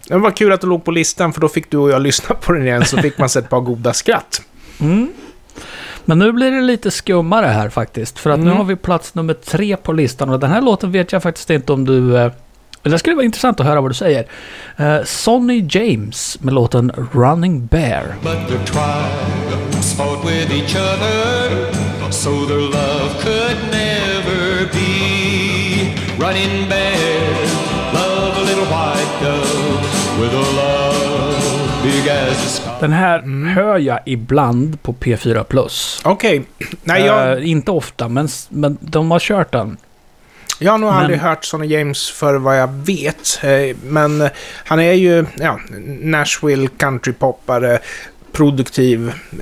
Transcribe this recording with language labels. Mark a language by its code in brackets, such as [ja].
[sv] Det var kul att du låg på listan, för då fick du och jag lyssna på den igen, så fick man se ett par goda skratt. Men nu blir det lite skummare här faktiskt, för att nu har vi plats nummer 3 på listan, och den här låten vet jag faktiskt inte om du... det skulle vara intressant att höra vad du säger. Sonny James med låten Running Bear. [en] But the tribes fought with each other, so their love could never be. Running Bear, love a little white dove with a love big as a sky. [sv] Den här hör jag ibland på P4 Plus. Okej. Okay. Jag... inte ofta, men de har kört den. Jag har nog aldrig hört Sonny James för vad jag vet. Men han är ju Nashville countrypoppare, produktiv.